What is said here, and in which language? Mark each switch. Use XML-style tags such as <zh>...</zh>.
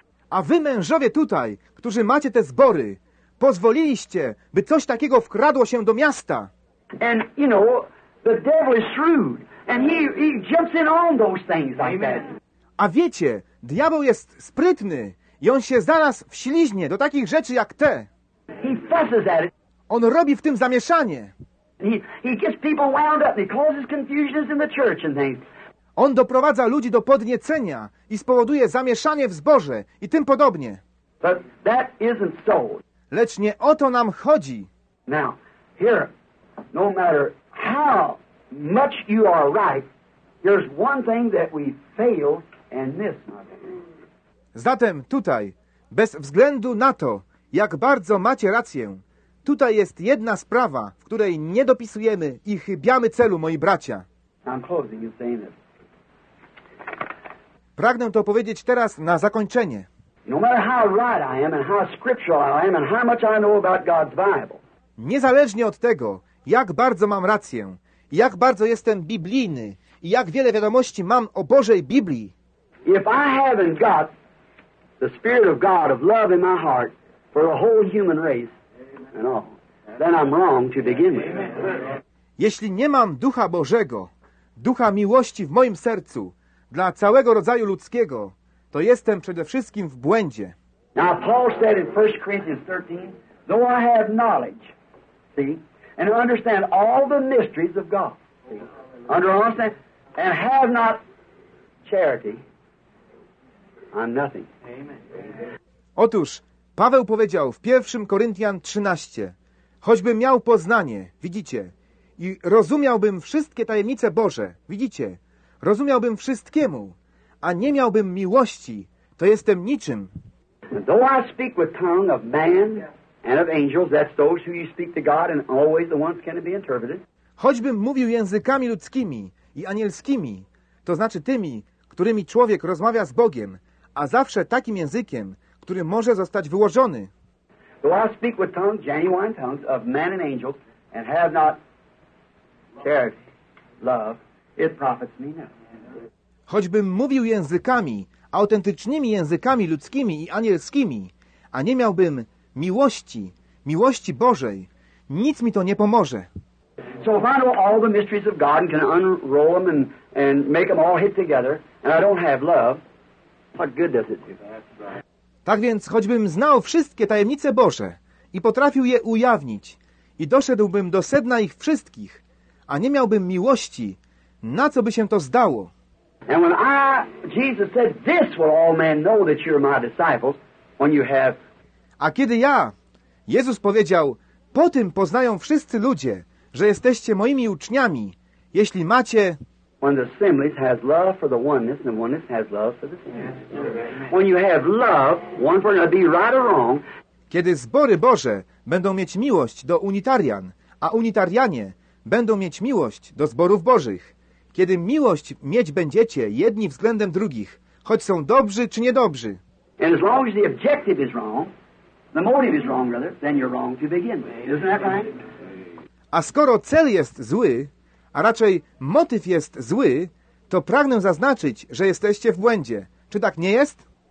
<pl>A wy, mężowie tutaj, którzy macie te zbory, pozwoliliście, by coś takiego wkradło się do miasta.</pl> <en>And, you know, the devil is shrewd. And he jumps in on those things like that.</en> <pl>A wiecie, diabeł jest sprytny i on się zaraz wśliźnie do takich rzeczy jak te.</pl> <en>He fusses at it.</en> <pl>On robi w tym zamieszanie.</pl> <en>He gets people wound up and he causes confusions in the church and things.</en> <pl>On doprowadza ludzi do podniecenia i spowoduje zamieszanie w zborze i tym podobnie.</pl> <en>But that isn't so.</en> <pl>Lecz nie o to nam chodzi.</pl> <en>Now, here, no matter how much you are right, there's one thing that we fail and miss.</en> <pl>Zatem tutaj, bez względu na to, jak bardzo macie rację, tutaj jest jedna sprawa, w której nie dopisujemy i chybiamy celu, moi bracia.</pl> <en>I'm closing you saying this.</en> <pl>Pragnę to powiedzieć teraz na zakończenie.</pl> <en>No matter how right I am and how scriptural I am and how much I know about God's Bible.</en> <pl>Niezależnie od tego, jak bardzo mam rację, jak bardzo jestem biblijny i jak wiele wiadomości mam o Bożej Biblii.</pl> <en>If I haven't got the Spirit of God of love in my heart for the whole human race and all, then I'm wrong to begin with.</en> <pl>Jeśli nie mam Ducha Bożego, Ducha miłości w moim sercu dla całego rodzaju ludzkiego, to jestem przede wszystkim w błędzie.</pl> <en>Now Paul said in 1 Corinthians 13, though I have knowledge, see, and understand all the mysteries of God. Understand? And have not charity, I'm nothing.</en> <pl>Otóż, Paweł powiedział w 1 Koryntian 13, choćbym miał poznanie, widzicie, i rozumiałbym wszystkie tajemnice Boże, widzicie, rozumiałbym wszystkiemu, a nie miałbym miłości, to jestem niczym.</pl> <en>Though I speak with tongue of man and of angels, that's those who you speak to God and always the ones can be interpreted.</en> <pl>Choćbym mówił językami ludzkimi i anielskimi, to znaczy tymi, którymi człowiek rozmawia z Bogiem, a zawsze takim językiem, który może zostać wyłożony.</pl> <en>Though I speak with tongues, genuine tongues, of man and angels, and have not charity, love, it profits me nothing.</en> <pl>Choćbym mówił językami, autentycznymi językami ludzkimi i anielskimi, a nie miałbym miłości, miłości Bożej, nic mi to nie pomoże.</pl> <en>So if I know all the mysteries of God and can unroll them and make them all hit together, and I don't have love, what good does it do?</en> <pl>Tak więc, choćbym znał wszystkie tajemnice Boże i potrafił je ujawnić i doszedłbym do sedna ich wszystkich, a nie miałbym miłości, na co by się to zdało?</pl> <en>And when I, Jesus said, this will all men know that you're my disciples, when you have...</en> <pl>A kiedy ja, Jezus powiedział, po tym poznają wszyscy ludzie, że jesteście moimi uczniami, jeśli macie...</pl> <en>When the assemblies has love for the oneness, and the oneness has love for the assemblies. When you have love, one for another, be right or wrong.</en> <pl>Kiedy zbory Boże będą mieć miłość do unitarian, a unitarianie będą mieć miłość do zborów Bożych. Kiedy miłość mieć będziecie jedni względem drugich, choć są dobrzy czy niedobrzy.</pl> <en>And as long as the objective is wrong, the motive is wrong, brother, then you're wrong to begin with. Isn't that right?</en> <pl>A skoro cel jest zły, a raczej motyw jest zły, to pragnę zaznaczyć, że jesteście w błędzie. Czy tak nie jest?</pl>